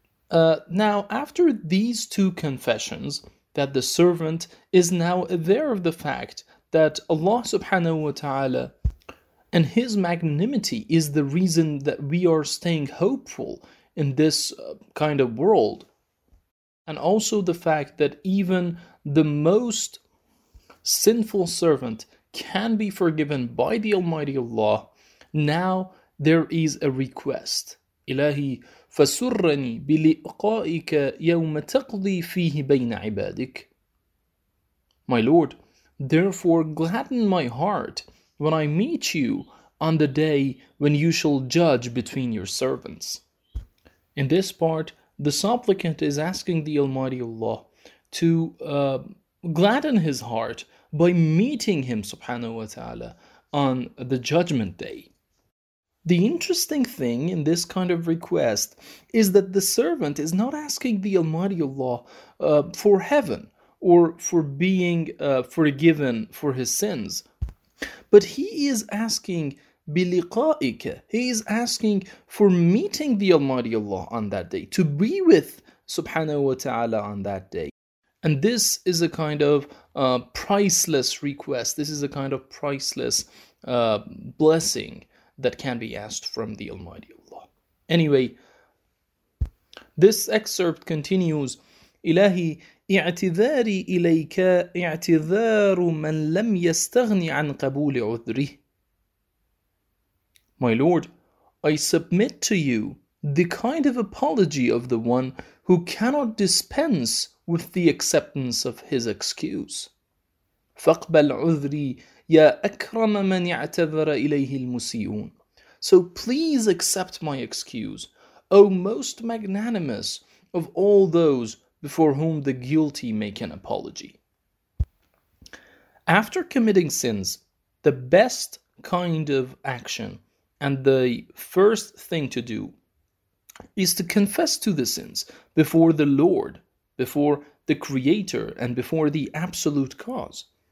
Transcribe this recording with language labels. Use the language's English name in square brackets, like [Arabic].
[English] Now, after these two confessions, that the servant is now aware of the fact that Allah subhanahu wa ta'ala and His magnanimity is the reason that we are staying hopeful in this kind of world, and also the fact that even the most sinful servant can be forgiven by the Almighty Allah, now there is a request. [Arabic] إلهي فسرني بلقائك يوم تقضي فيه بين عبادك. [English] My Lord, therefore gladden my heart when I meet you on the day when you shall judge between your servants. In this part, the supplicant is asking the Almighty Allah to gladden his heart by meeting him subhanahu wa ta'ala on the judgment day. The interesting thing in this kind of request is that the servant is not asking the Almighty Allah for heaven or for being forgiven for his sins, but he is asking بِلِقَائِكَ. He is asking for meeting the Almighty Allah on that day, to be with subhanahu wa ta'ala on that day. And this is a kind of priceless request. This is a kind of priceless blessing that can be asked from the Almighty Allah. Anyway, this excerpt continues. [Arabic] إلهي اعتذاري إليك اعتذار من لم يستغني عن قبول عذري. [English] My Lord, I submit to you the kind of apology of the one who cannot dispense with the acceptance of his excuse. [Arabic] فَقْبَلْ عُذْرِي يَا أَكْرَمَ مَنْ اعْتَذَرَ إِلَيْهِ الْمُسِيئُونَ. [English] So please accept my excuse, O most magnanimous of all those before whom the guilty make an apology. After committing sins, the best kind of action and the first thing to do is to confess to the sins before the Lord, before the Creator, and before the Absolute Cause.